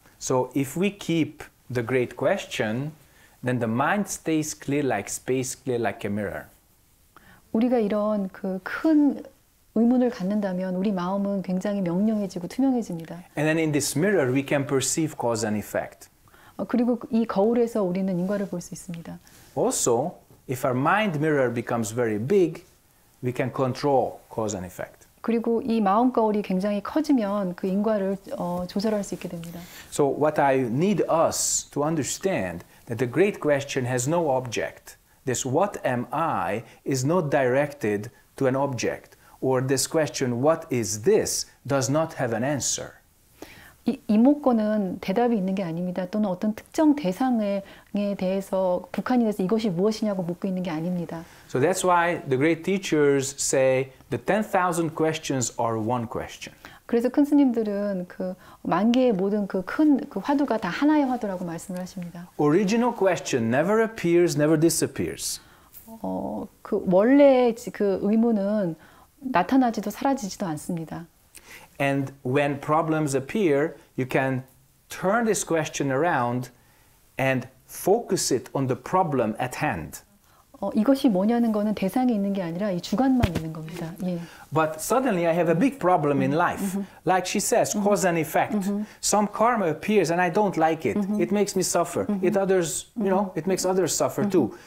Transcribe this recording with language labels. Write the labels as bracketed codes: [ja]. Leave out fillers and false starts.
[en] So if we keep the great question, then the mind stays clear like space, clear like a mirror. [ko] 우리가 이런 그 큰 의문을 갖는다면 우리 마음은 굉장히 명료해지고 투명해집니다. [en] And then in this mirror we can perceive cause and effect. [ko] 그리고 이 거울에서 우리는 인과를 볼 수 있습니다. [en] Also, if our mind mirror becomes very big, we can control cause and effect. [ko] 그리고 이 마음 거울이 굉장히 커지면 그 인과를 조절할 수 있게 됩니다. [en] So what I need us to understand that the great question has no object. This what am I is not directed to an object. Or this question, what is this, does not have an answer. [ko] 이 목건은 대답이 있는 게 아닙니다. 또는 어떤 특정 대상에 대해서 북한이 돼서 이것이 무엇이냐고 묻고 있는 게 아닙니다. [en] So that's why the great teachers say the 10,000 questions are one question. [ko] 그래서 큰 스님들은 그 만 개의 모든 그 큰 그 화두가 다 하나의 화두라고 말씀을 하십니다. [en] Original question never appears, never disappears. [ko] 그 원래 그 의문은 나타나지도 사라지지도 않습니다. [en] And when problems appear, you can turn this question around and focus it on the problem at hand. [ko] 이것이 뭐냐는 거는 대상이 있는 게 아니라 이 주관만 있는 겁니다. 예. [en] But suddenly I have a big problem in life. Like she says, cause and effect. Some karma appears and I don't like it. It makes me suffer. It others, you know, it makes others suffer too.